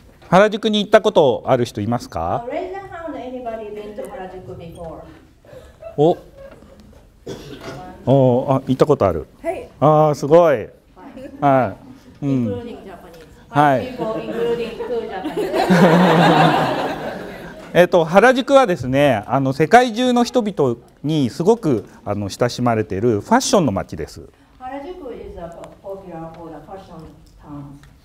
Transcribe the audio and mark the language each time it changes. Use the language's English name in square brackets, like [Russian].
[Japanese] 原宿に行ったことある人いますか？ [English] Raise your hand anybody been to Harajuku before? [Japanese] Oh. Oh, 行ったことある。はい。ああ、すごい。はい。 [English] Including Japanese. People including two Japanese. [Japanese] 原宿はですね、世界中の人々にすごく親しまれているファッションの街です。 [English] 原宿 is a popular for the fashion town